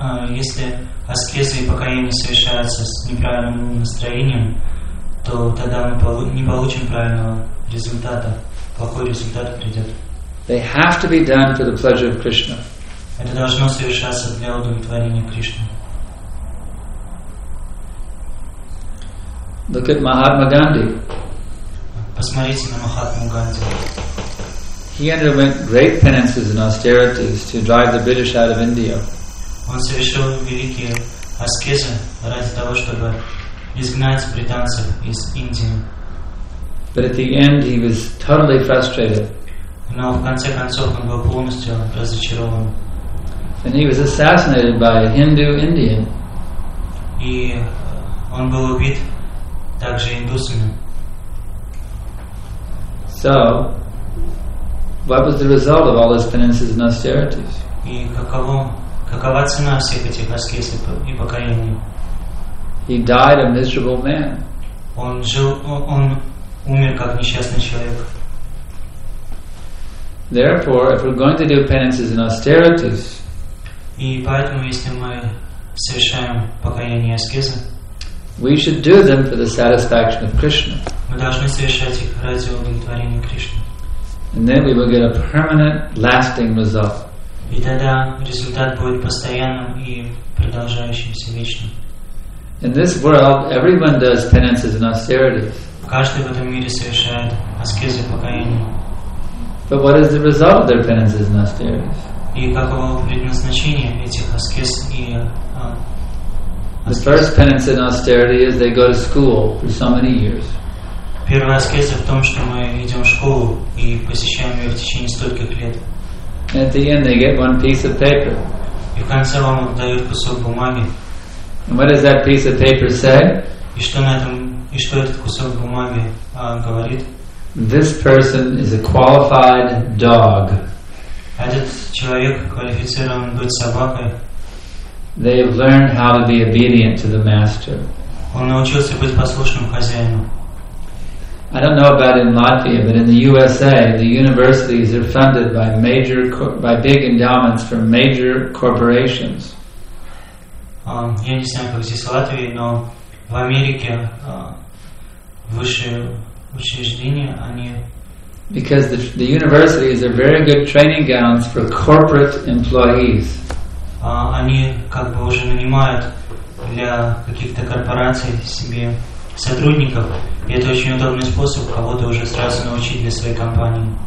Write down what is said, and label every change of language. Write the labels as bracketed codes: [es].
[ru] Если аскезы и покаяние совершаются с неправильным настроением, то тогда мы не получим правильного результата, плохой результат придет. [en] They have to be done for the pleasure of Krishna. [ru] Это должно совершаться для удовлетворения Кришны. [en] Look at Mahatma Gandhi. [ru] Посмотрите на Махатму Ганди. [en] He underwent great penances and austerities to drive the British out of India. [ru] Он совершил великие аскезы ради того, чтобы изгнать британцев из Индии. [en] But at the end he was totally frustrated. [ru] Но в конце концов он был полностью разочарован. [en] And he was assassinated by a Hindu Indian. [ru] И он был убит также индусами. [en] So, what was the result of all his penances and austerities? [ru] И какова цена всех этих аскез и покаяний? [en] He died a miserable man. [ru] Он умер как несчастный человек. [en] Therefore, if we're going to do penances and austerities, [ru] и поэтому, если мы совершаем покаяние и аскезы, [en] we should do them for the satisfaction of Krishna. [ru] Мы должны совершать их ради удовлетворения Кришны. [en] And then we will get a permanent, lasting result. [ru] И тогда результат будет постоянным и продолжающимся вечным. [en] In this world, everyone does penances and austerities. [ru] Каждый в этом мире совершает аскезы и покаяние. [en] But what is the result of their penances and austerities? [ru] И каково предназначение этих аскез и [en] The first penance in austerity is they go to school for so many years. [ru] Первая аскеза в том, что мы идем в школу и посещаем ее в течение стольких лет. [en] At the end, they get one piece of paper. [ru] И в конце вам дают кусок бумаги. [en] And what does that piece of paper say? [ru] И что этот кусок бумаги говорит? [en] This person is a qualified dog. [ru] Этот человек квалифицирован быть собакой. [en] They have learned how to be obedient to the master. [ru] Он научился быть послушным хозяину. [en] I don't know about in Latvia, but in the USA, the universities are funded by big endowments from major corporations. [ru] Я не знаю, как здесь в Латвии, но в Америке высшие учреждения они. [en] Because the universities are very good training grounds for corporate employees. [ru] Они как бы уже нанимают для каких-то корпораций себе сотрудников, и это очень удобный способ кого-то уже сразу научить для своей компании.